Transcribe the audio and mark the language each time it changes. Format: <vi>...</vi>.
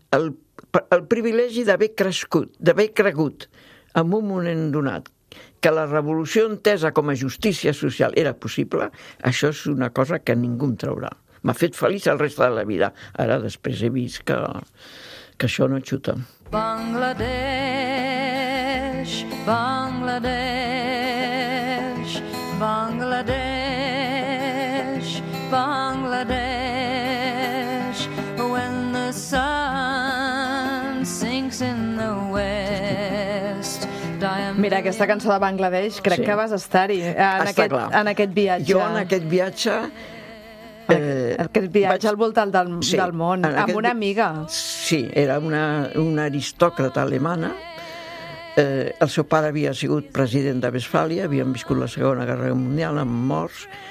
<ca>El privilegi d'haver crescut, d'haver cregut en un moment donat que la revolució entesa com a justícia social era possible, això és una cosa que ningú em traurà. M'ha fet feliç el reste de la vida. Ara, després, he vist que això no xuta.</ca> <en>Bangladesh, Bangladesh, Bangladesh, Bangladesh, when the sun sinks in the west.</en> <ca>Mira, aquesta cançó de Bangladesh, crec que vas estar-hi en aquest viatge. Jo en aquest viatge... Aquest viatge al voltant del món, amb una amiga. Sí, era una aristòcrata alemana. El seu pare havia sigut president de Westfàlia, havien viscut la Segona Guerra Mundial amb morts.</ca>